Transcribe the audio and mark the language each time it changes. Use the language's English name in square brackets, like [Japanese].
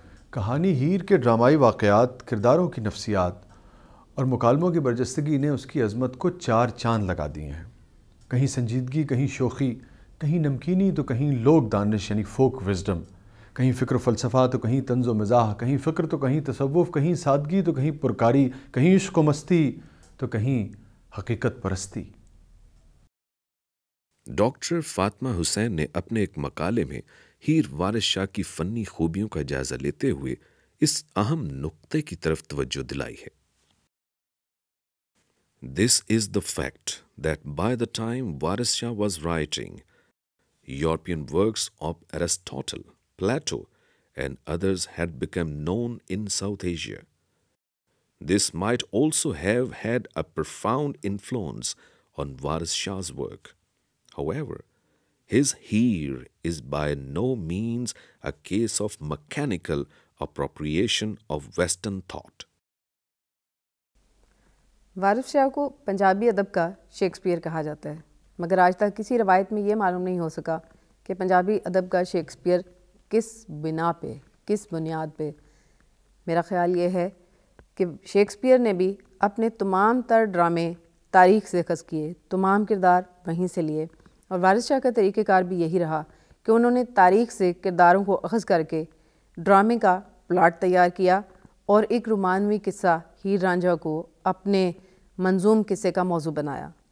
[Urdu] کہانی ہیر کے ڈرامائی واقعات، کرداروں کی نفسیات اور مکالموں کی برجستگی نے اس کی عظمت کو چار چاند لگا دیے ہیں۔ کہیں سنجیدگی، کہیں شوخی، کہیں نمکینی تو کہیں لوک دانش یعنی فوک وزڈم، کہیں فکر و فلسفہ تو کہیں طنز و مزاح، کہیں فکر تو کہیں تصوف، کہیں سادگی تو کہیں پرکاری، کہیں عشق و مستی تو کہیں حقیقت پرستی۔ ڈاکٹر فاطمہ حسین نے اپنے ایک مقالے میں ہیر وارث شاہ کی فنی خوبیوں کا جائزہ لیتے ہوئے اس اہم نقطے کی طرف توجہ دلائی ہے. [English] This is the fact that by the time Waris Shah was writing, European works of Aristotle, Plato, and others had become known in South Asia. This might also have had a profound influence on Waris Shah's work. However, his here is by no means a case of mechanical appropriation of Western thought. [Urdu] وارف شاہ کو پنجابی ادب کا Shakespeare کہا جاتا ہے، مگر آج تک کسی روایت میں یہ معلوم نہیں ہو سکا کہ پنجابی ادب کا شیکسپیئر کس بنا پہ، کس بنیاد پہ. میرا خیال یہ ہے کہ شیکسپیئر نے بھی اپنے تمام تر ڈرامے تاریخ سے اخذ کیے، تمام کردار وہیں سے لیے، اور وارف شاہ کا طریقہ کار بھی یہی رہا کہ انہوں نے تاریخ سے کرداروں کو اخذ کر کے ڈرامے کا پلاٹ تیار کیا اور ایک رومانوی قصہ ہیر رانجھا کو اپنے منظوم قصے کا موضوع بنایا.